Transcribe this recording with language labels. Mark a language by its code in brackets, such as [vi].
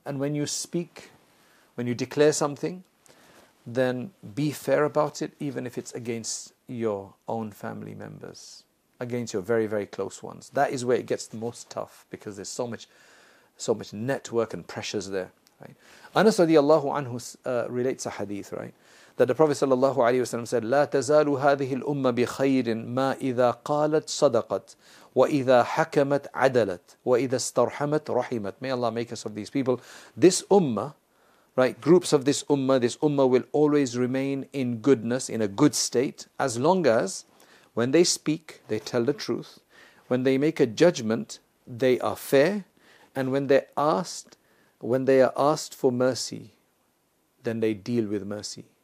[en] And when you speak, when you declare something, then be fair about it, even if it's against your own family members, against your very, very close ones. That is where it gets the most tough, because there's so much network and pressures there, Right? Anas radiallahu anhu relates a hadith, right? That the Prophet sallallahu alayhi wasallam said, [ar] لا تزال هذه الأمة بخير ما إذا قالت صدقت وإذا حكمت عدلت وإذا استرحمت رحمت. [en] May Allah make us of these people. This ummah, right, groups of this ummah will always remain in goodness, in a good state, as long as when they speak, they tell the truth. When they make a judgment, they are fair. And when they are asked for mercy, then they deal with mercy.